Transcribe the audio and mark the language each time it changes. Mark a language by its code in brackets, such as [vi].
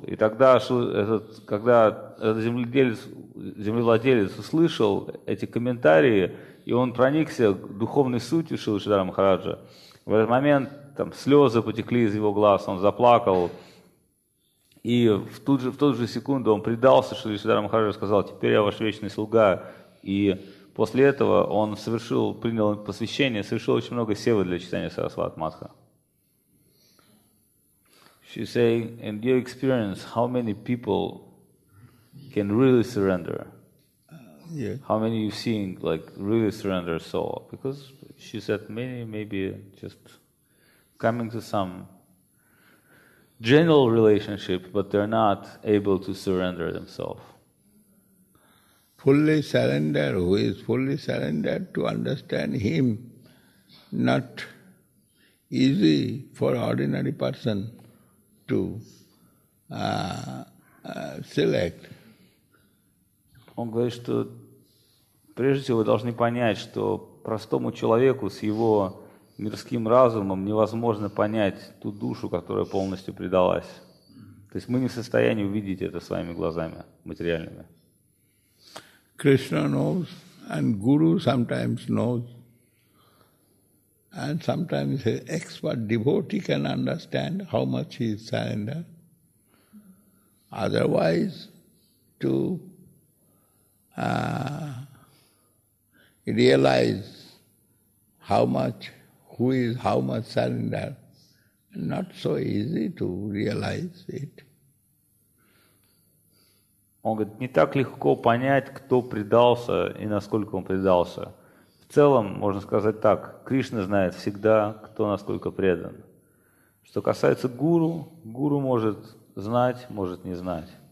[ru] И тогда, когда этот землевладелец услышал эти комментарии, и он проникся духовной сутью Шрилы Шридхара Махараджа, в этот момент там слезы потекли из его глаз, он заплакал. И в ту же секунду он предался Шрилы Шридхара Махараджа, сказал: теперь я ваш вечный слуга. И после этого он принял посвящение, совершил очень много севы для читания Сарасват Матха. [en] She saying, in your experience, how many people can really surrender? Yeah. How many you've seen like really surrender soul? Because she said many, maybe just coming to some general relationship, but they're not able to surrender themselves. Fully surrender, who is fully surrendered to understand him, not easy for ordinary person to select. [ru] Он говорит, что прежде всего вы должны понять, что простому человеку с его мирским разумом невозможно понять ту душу, которая полностью предалась. То есть мы не в состоянии увидеть это своими глазами материальными. [en] Krishna knows, and Guru sometimes knows, and sometimes an expert devotee can understand how much he is surrendered. Otherwise, to realize how much surrender, not so easy to realize it. [ru] Он говорит, не так легко понять, кто предался и насколько он предался. В целом, можно сказать так, Кришна знает всегда, кто насколько предан. Что касается гуру, гуру может знать, может не знать.